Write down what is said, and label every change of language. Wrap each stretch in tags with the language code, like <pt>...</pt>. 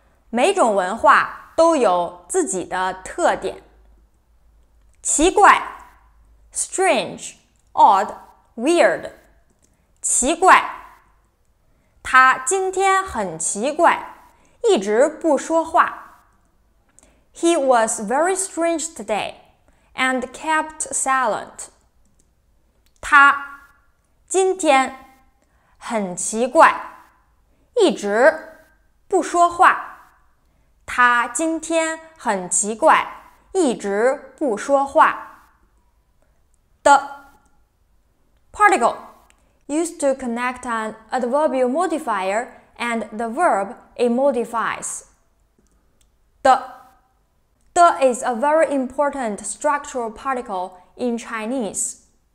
<zh>每种文化都有自己的特点。奇怪</zh> <en>strange, odd, weird, 奇怪。</en> <zh>他今天很奇怪，一直不说话。</zh> <en>He was very strange today and kept silent.</en> <zh>他今天很奇怪，一直不说话。他今天很奇怪，一直不说话。</zh> <en>The particle used to connect an adverbial modifier and the verb it modifies. The is a very important structural particle in Chinese.</en>